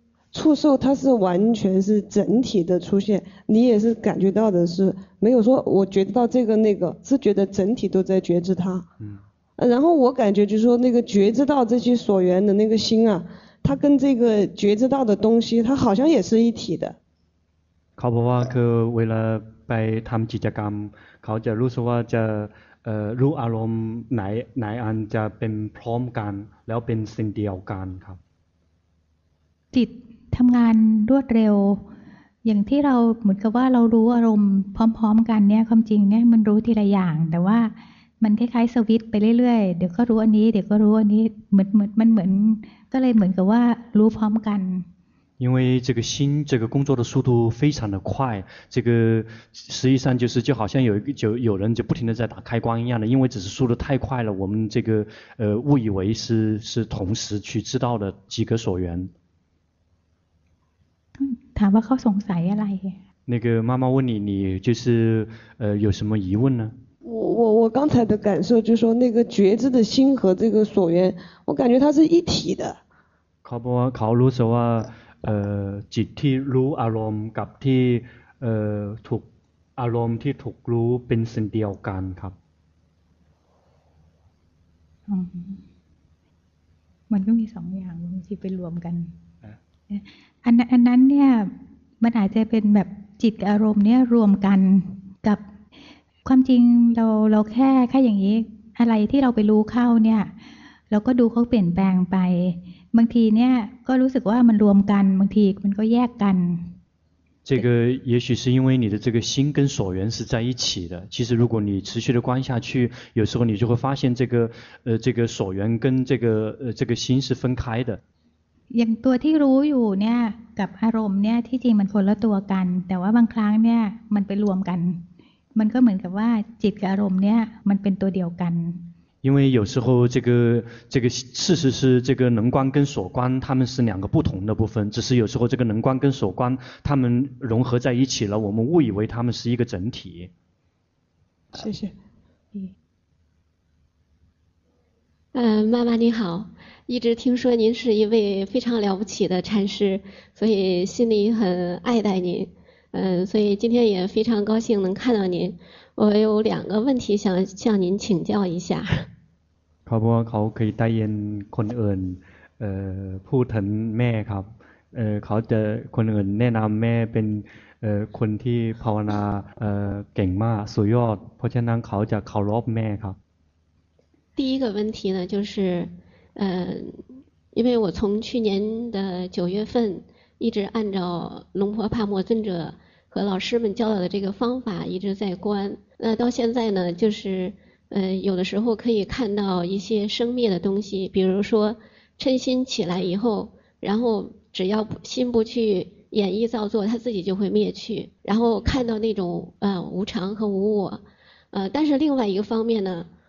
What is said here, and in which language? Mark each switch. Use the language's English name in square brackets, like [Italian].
[Chinese] 触受它是完全是整体的出现你也是感觉到的是没有说我觉得到这个那个是觉得整体都在觉知它然后我感觉就是说那个觉知到这些所缘的那个心啊它跟这个觉知到的东西它好像也是一体的考不话可为了拜他们几家干考着如说话这如阿龙来安这边 prom 干然后边 sindial 干 [Thai] ครับทำงานรวดเร็วอย่างที่เราเหมือนกับว่าเรารู้อารมณ์พร้อมๆกันเนี่ยความจริงเนี่ยมันรู้ทีละอย่างแต่ว่ามันคล้ายๆสวิตไปเรื่อยๆเดี๋ยวก็รู้อันนี้เดี๋ยวก็รู้อันนี้เหมือนมันเหมือนก็เลยเหมือนกับว่ารู้พร้อมกัน [Chinese] 因为这个心这个工作的速度非常的快这个实际上就是就好像有人就不停的在打开关一样的因为只是速度太快了我们这个误以为是同时去知道的几个所缘 [Thai] ถามว่าเขาสงสัยอะไร [Chinese] 那个妈妈问你就是有什么疑问呢我刚才的感受就是说那个觉知的心和这个所缘我感觉它是一体的考不考如说话 [Thai] จิตที่รู้อารมณ์กับที่ถูกอารมณ์ที่ถูกรู้เป็นสิ่งเดียวกันครับ มันก็มีสองอย่างที่ไปรวมกันอันนั้นเนี่ยมันอาจจะเป็นแบบจ จิตอารมณ์เนี่ยรวมกันกับความจริงเราแค่อย่างนี้อะไรที่เราไปรู้เข้าเนี่ยเราก็ดูเขาเปลี่ยนแปลงไปบางทีเนี่ยก็รู้สึกว่ามันรวมกันบางทีมันก็แยกกัน [Chinese] 这个也许是因为你的这个心跟所缘是在一起的。其实如果你持续的观下去，有时候你就会发现这个所缘跟这个心是分开的。 [Thai] อย่างตัวที่รู้อยู่เนี่ยกับอารมณ์เนี่ยที่จริงมันคนละตัวกันแต่ว่าบางครั้งเนี่ยมันไปรวมกันมันก็เหมือนกับว่าจิตกับอารมณ์เนี่ยมันเป็นตัวเดียวกัน [Chinese] 因为有时候这个事实是这个能观跟所观他们是两个不同的部分只是有时候这个能观跟所观他们融合在一起了我们误以为他们是一个整体谢谢妈妈你好一直听说您是一位非常了不起的禅师所以心里很爱戴您所以今天也非常高兴能看到您我有两个问题想向您请教一下 [Thai] เขาบอกว่าเขาเคยได้ยินคนอื่นพูดถึงแม่ครับเขาจะคนอื่นแนะนำแม่เป็นคนที่ภาวนาเก่งมากสุดยอดเพราะฉะนั้นเขาจะเคารพแม่ครับ [Chinese] 第一个问题呢就是因为我从去年的九月份一直按照龙婆帕默尊者和老师们教导的这个方法一直在观那到现在呢就是有的时候可以看到一些生灭的东西比如说嗔心起来以后然后只要心不去演绎造作它自己就会灭去然后看到那种无常和无我但是另外一个方面呢